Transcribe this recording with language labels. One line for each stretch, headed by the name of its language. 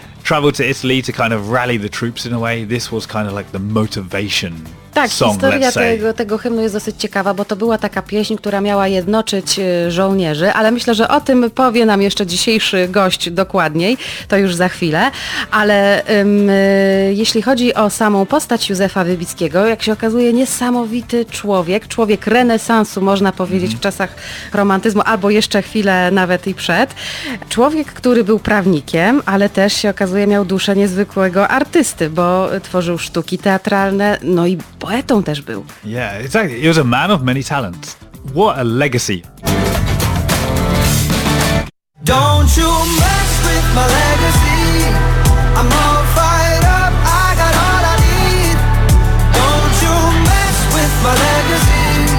English: Traveled to Italy to kind of rally the troops in a way. This was kind of like the motivation
Polish: tak,
English: song, let's say.
Polish: Tak, historia tego hymnu jest dosyć ciekawa, bo to była taka pieśń, która miała jednoczyć żołnierzy, ale myślę, że o tym powie nam jeszcze dzisiejszy gość dokładniej, to już za chwilę. Ale jeśli chodzi o samą postać Józefa Wybickiego, jak się okazuje, niesamowity człowiek, człowiek renesansu, można powiedzieć, w czasach romantyzmu, albo jeszcze chwilę nawet i przed. Człowiek, który był prawnikiem, ale też się okazuje, miał duszę niezwykłego artysty, bo tworzył sztuki teatralne, no i poetą też był.
English: Yeah, exactly. He was a man of many talents. What a legacy. Don't you mess with my legacy. I'm all fired up. I got all I need. Don't you mess with my legacy.